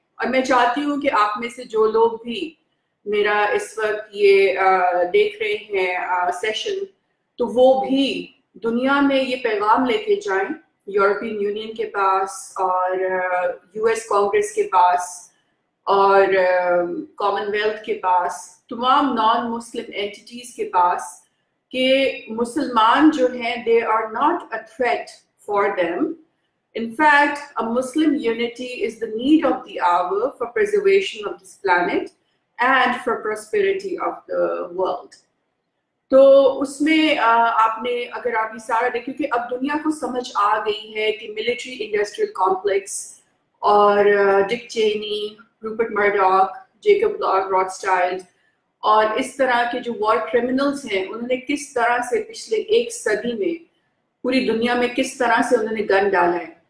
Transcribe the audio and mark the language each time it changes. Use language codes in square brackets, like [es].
[ur] اور میں چاہتی ہوں کہ آپ میں سے جو لوگ بھی میرا اس وقت یہ دیکھ رہے ہیں سیشن، تو وہ بھی دنیا میں یہ پیغام لے کے جائیں یورپین یونین کے پاس اور یو ایس کانگریس کے پاس اور کامن ویلتھ کے پاس، تمام نان مسلم اینٹیز کے پاس، کہ مسلمان جو ہیں [en] They are not a threat for them. In fact a Muslim unity is the need of the hour for preservation of this planet and for prosperity of the world. [ur] تو اس میں آپ نے اگر آپ یہ سارا دیکھیں، کیونکہ اب دنیا کو سمجھ آ گئی ہے کہ ملٹری انڈسٹریل کمپلیکس اور ڈک چینی، روپرٹ مرڈاک، جیکب روتھسچائلڈ اور اس طرح کے جو وار کرمنلز ہیں، انہوں نے کس طرح سے پچھلے ایک صدی میں پوری دنیا میں کس طرح سے انہوں نے گن ڈالا ہے.